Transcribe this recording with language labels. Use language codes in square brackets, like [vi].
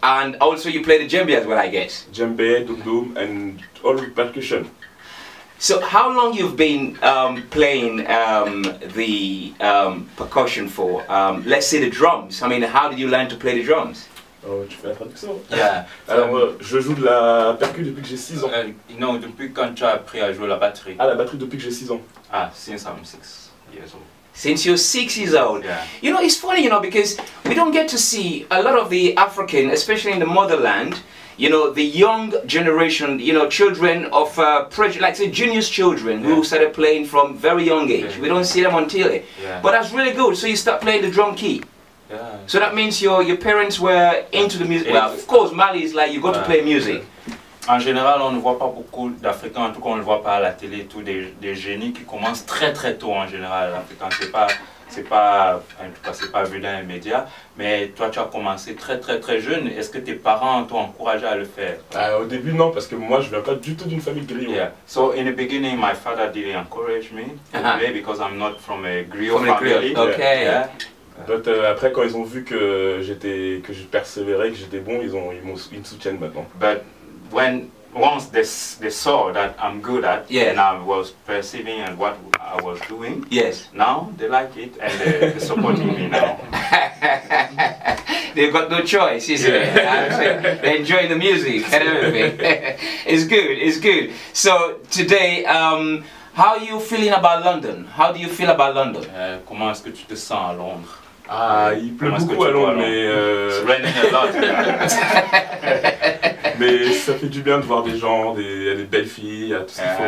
[en] And also you play the djembe as well, I guess. Djembe, dum-dum, and all the percussion. So how long you've been playing the percussion for? Let's say the drums. I mean, how did you learn to play the drums? [fr] Oh, tu fais la traduction. [en] Yeah. [fr] Alors, je joue de la percu depuis que j'ai 6 ans. Non, depuis quand tu as appris à jouer la batterie? Ah, la batterie depuis que j'ai 6 ans. [en] Ah, since I'm 6 years old. Since you're 6 years old. Yeah. You know, it's funny, you know, because we don't get to see a lot of the African, especially in the motherland, you know, the young generation, you know, children of, like say, junior children who started playing from very young age. Yeah. We don't see them on TV. Yeah. But that's really good. So you start playing the drum key. Yeah. So that means your parents were into the music. Well, of course, Mali is like, you got to play music. [fr] En général, on ne voit pas beaucoup d'Africains, en tout cas, on ne le voit pas à la télé, tout des génies qui commencent très très tôt en général. L'Africain, c'est pas vu dans les médias. Mais toi, tu as commencé très très très jeune. Est-ce que tes parents t'ont encouragé à le faire? Au début, non, parce que moi, je viens pas du tout d'une famille griot. [en] Yeah. So in the beginning, my father didn't encourage me to play because I'm not from a griot from family. A griot. Okay. Yeah. Yeah. [fr] But, après quand ils ont vu que je persévérais, que j'étais bon, ils me soutiennent maintenant. [en] But once they saw that I'm good at and I was perceiving and what I was doing, yes, now they like it and they're supporting me now. They've got no choice, is it? They enjoy the music and everything. it's good. So today, how are you feeling about London? How do you feel about London? [fr] Comment est-ce que tu te sens à Londres? Ah, il pleut beaucoup à Londres, mais... [en] It's raining a lot. [fr] Mais ça fait du bien de voir des gens, des belles filles, à tout ce qu'il faut.